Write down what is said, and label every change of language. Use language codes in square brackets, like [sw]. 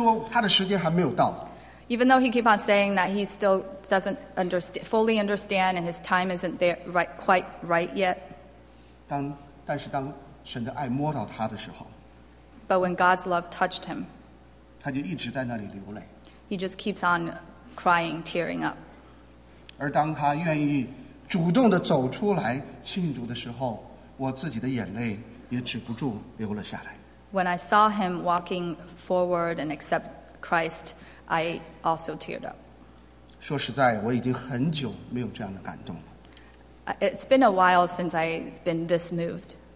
[zh] 虽然他一直说不明白，虽然他说他的时间还没有到。 [en] Even though he keep on saying that he still doesn't understand, fully understand and his time isn't there right, quite right yet. [zh] 但是当神的爱摸到他的时候。 [en] But when God's love touched him. [zh] 他就一直在那里流泪。 [en] He just keeps on crying, tearing up. [zh] 而当他愿意 主动地走出来信主的时候，我自己的眼泪也止不住流了下来。 [en] When I saw him walking forward and accept Christ, I also teared up. [zh] 说实在，我已经很久没有这样的感动了。 [en] It's been a while since I've been this moved.